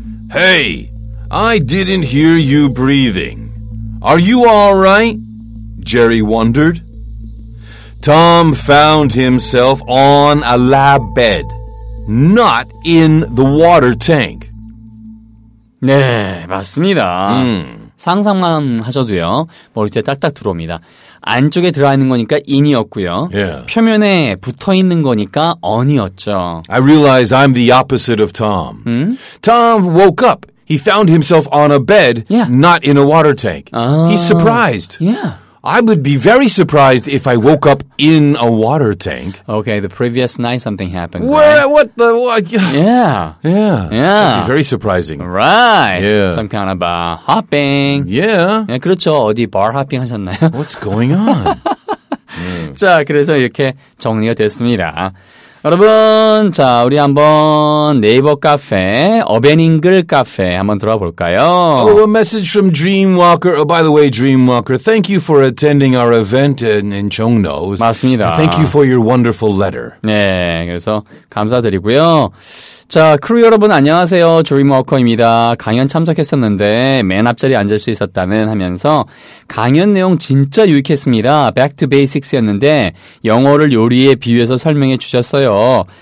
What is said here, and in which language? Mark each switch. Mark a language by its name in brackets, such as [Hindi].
[English] Hey, I didn't hear you breathing. Are you all right? Jerry wondered. Tom found himself on a lab bed, not in the water tank. [Korean] 네, 맞습니다. 상상만 하셔도요, 머리에 딱딱 들어옵니다. 안쪽에 들어 있는 거니까 in이었고요. [English] Yeah. [Korean] 표면에 붙어 있는 거니까 on이었죠. [English] I realize I'm the opposite of Tom. 음? Tom woke up. He found himself on a bed, yeah. not in a water tank. 아, He's surprised. Yeah. I would be very surprised if I woke up in a water tank. Okay, the previous night something happened. Where? What the? What? Yeah. Yeah. Yeah. That'd be very surprising. Right. Yeah. Some kind of hopping. Yeah. [Korean] 네, 그렇죠. 어디 bar hopping 하셨나요? [English] What's going on? [Korean] 자, 그래서 이렇게 정리가 됐습니다. 여러분, 자, 우리 한번 네이버 카페, 어벤잉글 카페 한번 들어볼까요? [English] Oh, a message from Dreamwalker. Oh, by the way, Dreamwalker, thank you for attending our event in Chongno. [Korean] 맞습니다. [English] And thank you for your wonderful letter. [Korean] 네, 그래서 감사드리고요. 자, 크루 여러분 안녕하세요. 드림워커입니다. 강연 참석했었는데 맨 앞자리 앉을 수 있었다는 하면서 강연 내용 진짜 유익했습니다. [English] Back to basics [Korean] 였는데 영어를 요리에 비유해서 설명해 주셨어요.